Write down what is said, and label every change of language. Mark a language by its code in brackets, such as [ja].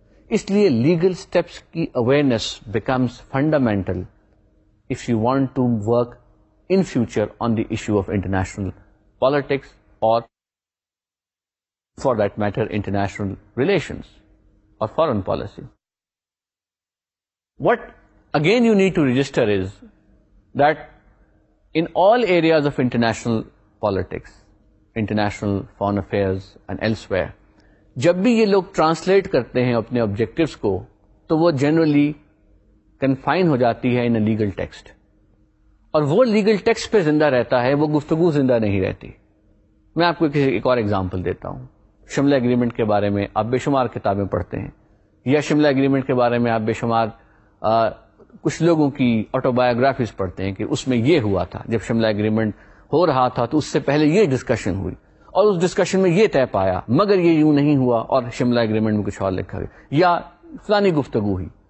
[ur] اس لیے [en] Legal steps کی awareness becomes fundamental if you want to work in future on the issue of international politics اور for that matter international relations or foreign policy. What again you need to register is that in all areas of international politics, international foreign affairs and elsewhere, [ur] جب بھی یہ لوگ translate کرتے ہیں اپنے objectives کو تو وہ جنرلی کنفائن ہو جاتی ہے [en] in a legal text, [ur] اور وہ لیگل ٹیکسٹ پہ زندہ رہتا ہے, وہ گفتگو زندہ نہیں رہتی. میں آپ کو ایک اور ایگزامپل دیتا ہوں. شملہ اگریمنٹ کے بارے میں آپ بے شمار کتابیں پڑھتے ہیں, یا شملہ اگریمنٹ کے بارے میں آپ بے شمار کچھ لوگوں کی آٹوبایوگرافیز پڑھتے ہیں کہ اس میں یہ ہوا تھا, جب شملہ اگریمنٹ ہو رہا تھا تو اس سے پہلے یہ ڈسکشن ہوئی اور اس ڈسکشن میں یہ طے پایا, مگر یہ یوں نہیں ہوا اور شملہ اگریمنٹ میں کچھ اور لکھا گیا, یا فلانی گفتگو ہوئی.